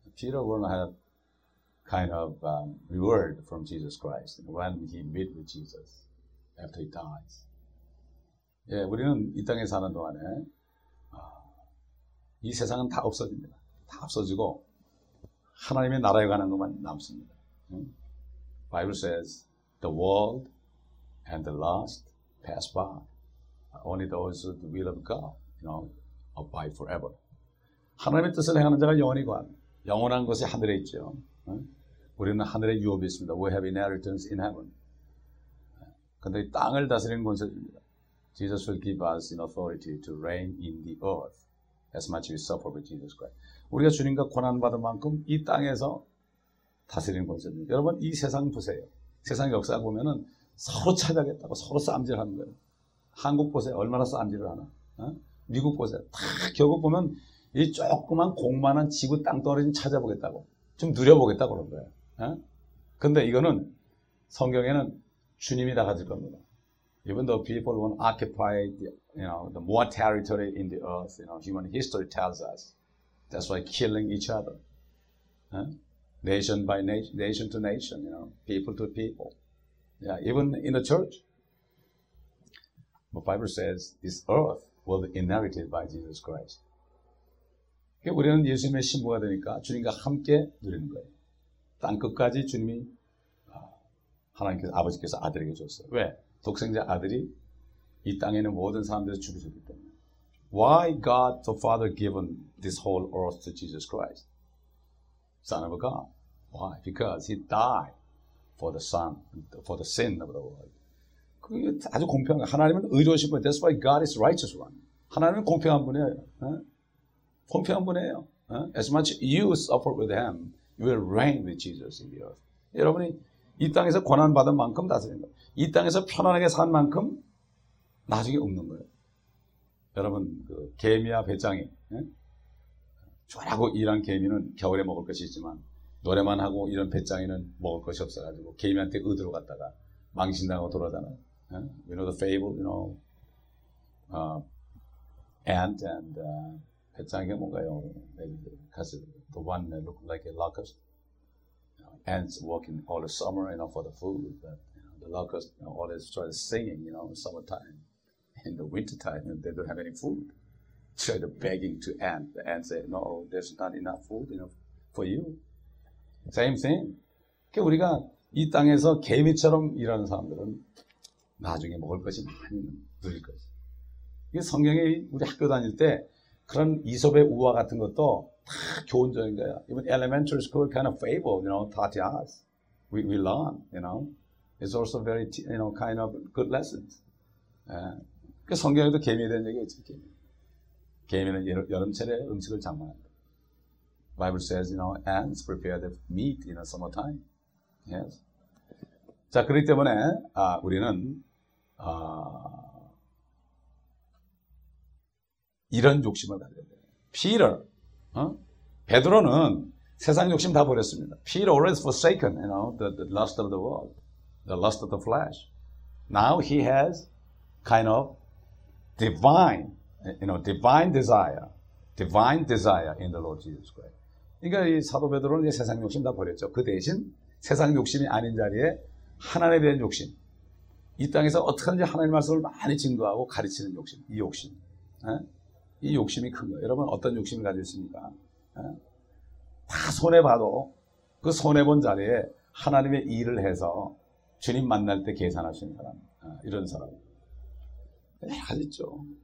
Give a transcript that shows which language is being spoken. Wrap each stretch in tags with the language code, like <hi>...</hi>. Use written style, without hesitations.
<en>Peter will have kind of reward from Jesus Christ when he meet with Jesus after he dies.</en> <ko>예, 우리는 이 땅에 사는 동안에 이 세상은 다 없어집니다. 다 없어지고 하나님의 나라에 관한 것만 남습니다. 응?</ko> <en>Bible says the world and the lust pass by. Only those the will of God, you know, abide forever.</en> <ko>하나님의 뜻을 행하는 자가 영원히 관, 영원한 것이 하늘에 있죠. 응? 우리는 하늘의 유업이 있습니다.</ko> <en>We have inheritance in heaven.</en> <ko>근데 이 땅을 다스리는 권세입니다.</ko> <en>Jesus will give us an authority to reign in the earth as much as we suffer with Jesus Christ.</en> <ko>우리가 주님과 고난받은 만큼 이 땅에서 다스리는 권세입니다. 여러분 이 세상 보세요. 세상 역사 보면은 서로 찾아가겠다고 서로 싸움질하는 거예요. 한국 보세요. 얼마나 싼지를 아나? 어? 미국 보세요. 다 겨우 보면 이 조그만 공만한 지구 땅 떨어진 찾아보겠다고. 좀 누려보겠다고 그런 거예요. 근데 이거는 성경에는 주님이 다 가질 겁니다.</ko> <en>Even though people want to occupy the, you know, the more territory in the earth, you know, human history tells us. That's why killing each other. Nation by nation, nation to nation, you know, people to people. Yeah, even in the church. The Bible says this earth will be inherited by Jesus Christ.</en> <ko>우리는 예수님의 신부가 되니까 주님과 함께 누리는 거예요. 땅 끝까지 주님이 하나님께서 아버지께서 아들에게 줬어요. 왜? 독생자 아들이 이 땅에는 모든 사람들에게 죽으셨기 때문에.</ko> <en>Why God the Father given this whole earth to Jesus Christ? Son of God. Why? Because he died for the son, for the sin of the world.</en> <ko>그게 아주 공평한 거예요. 하나님은 의로우신 분이에요.</ko> <en>That's why God is righteous one.</en> <ko>하나님은 공평한 분이에요. 공평한 분이에요.</ko> <en>As much you suffer with him, you will reign with Jesus in the earth.</en> <ko>여러분이 이 땅에서 고난받은 만큼 다스린 거예요. 이 땅에서 편안하게 산 만큼 나중에 없는 거예요. 여러분, 그 개미와 배짱이, 쫄하고 일한 개미는 겨울에 먹을 것이 있지만 노래만 하고 이런 배짱이는 먹을 것이 없어가지고 개미한테 의도로 갔다가 망신당하고 돌아다녀요.</ko> <en>You know the fable, you know, ant and</en> <ko>배짱이가 뭔가요?</ko> <en>가스, the one that looked like a locust. Ants walking all the summer, you know, for the food. But you know, the locusts, you know, always try to singing, you know, in summertime. In the wintertime, you know, they don't have any food. Try to begging to ant. The ant say, no, there's not enough food, you know, for you. Same thing.</en> <ko>그러니까 우리가 이 땅에서 개미처럼 일하는 사람들은 나중에 먹을 것이 많이 누릴 것이. 이게 성경에 우리 학교 다닐 때 그런 이솝의 우화 같은 것도 다 교훈적인 거야.</ko> <en>Even elementary school kind of fable, you know, taught us. We learn, you know. It's also very, you know, kind of good lessons. Yeah.</en> <ko>그 성경에도 개미에 대한 얘기가 있지, 개미. 개미는 여름철에 음식을 장만한다.</ko> <en>Bible says, you know, ants prepare the meat in the summertime. Yes.</en> <ko>자, 그렇기 때문에, 아, 우리는, 아, 이런 욕심을 가져야 돼. Peter, 베드로는 세상 욕심 다 버렸습니다.</ko> <en>Peter already forsaken, you know, the lust of the world, the lust of the flesh. Now he has kind of divine, you know, divine desire in the Lord Jesus Christ.</en> <ko>그러니까 이 사도 베드로는 이제 세상 욕심 다 버렸죠. 그 대신 세상 욕심이 아닌 자리에 하나님에 대한 욕심, 이 땅에서 어떻게든지 하나님 말씀을 많이 증거하고 가르치는 욕심, 이 욕심. 이 욕심이 큰 거예요. 여러분 어떤 욕심을 가지고 있습니까? 다 손해봐도 그 손해본 자리에 하나님의 일을 해서 주님 만날 때 계산하시는 사람, 이런 사람. 아시죠?</ko>